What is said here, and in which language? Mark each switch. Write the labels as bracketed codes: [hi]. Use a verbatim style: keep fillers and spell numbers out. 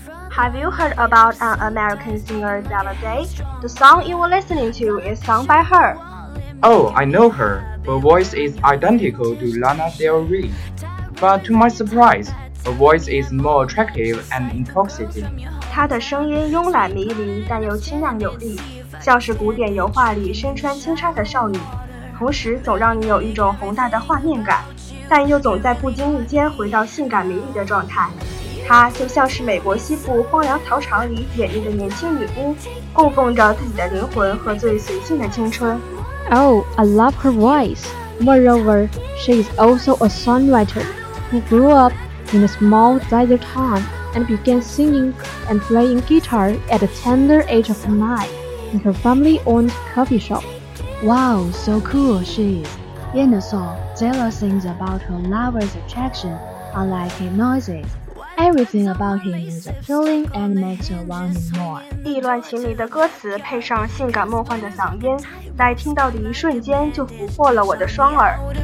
[en] Have you heard about an American singer the other day? The song you were listening to is sung by her. Oh, I know her. Her voice is identical to Lana Del Rey. But to my surprise, her voice is more attractive and intoxicating. [zh] 她的声音慵懒迷离，但又清亮有力，像是古典油画里身穿轻纱的少女，同时总让你有一种宏大的画面感，但又总在不经意间回到性感迷离的状态。她就像是美国西部荒凉草场里演绎的年轻女巫，供奉着自己的灵魂和最随性的青春。 [en] Oh, I love her voice. Moreover, she is also a songwriter who grew up in a small desert town and began singing and playing guitar at the tender age of nine in her family-owned coffee shop. Wow, so cool she is. In the song, Taylor sings about her lover's attraction, unlike Hinoise's. Everything about him is appealing and makes you want him more. [zh] 意乱情迷的歌词配上性感梦幻的嗓音，在听到的一瞬间就俘获了我的双耳。